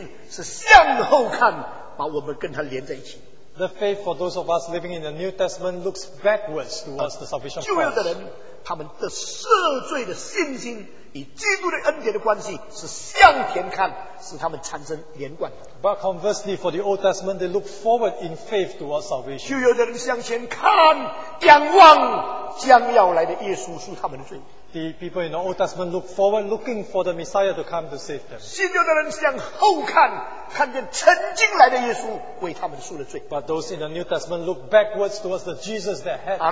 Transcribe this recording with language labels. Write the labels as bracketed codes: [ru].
[zh] 我们新约的人对基督赦罪的恩典，恩典的信心是向后看，把我们跟他连在一起。 [en] The faith for those of us living in the New Testament looks backwards towards the salvation of Christ. [zh] 旧约的人，他们的赦罪的信心与基督的恩典的关系是向前看，使他们产生连贯。 [en] But conversely, for the Old Testament, they look forward in faith towards salvation. [zh] 旧约的人向前看，仰望将要来的耶稣赎他们的罪。 [en] The people in the Old Testament look forward, looking for the Messiah to come to save them. [zh] 新约的人向后看，看见曾经来的耶稣为他们赎了罪。 [en] But those in the New Testament look backwards towards the Jesus that had come.